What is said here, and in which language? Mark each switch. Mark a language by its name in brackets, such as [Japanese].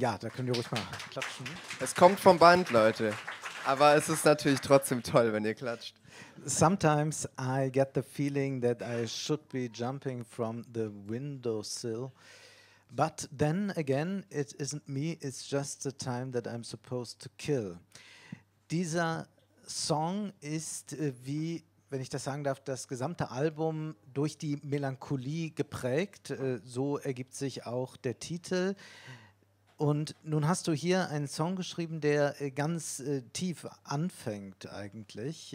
[German] Ja, da könnt ihr ruhig mal klatschen. Es kommt vom Band, Leute. Aber es ist natürlich trotzdem toll, wenn ihr klatscht. [English] Sometimes I get the feeling that I should be jumping from the windowsill. But then again, it isn't me, it's just the time that I'm supposed to kill. [German] Dieser Song ist wie, wenn ich das sagen darf, das gesamte Album durch die Melancholie geprägt. So ergibt sich auch der Titel. Und nun hast du hier einen Song geschrieben, der ganz tief anfängt eigentlich.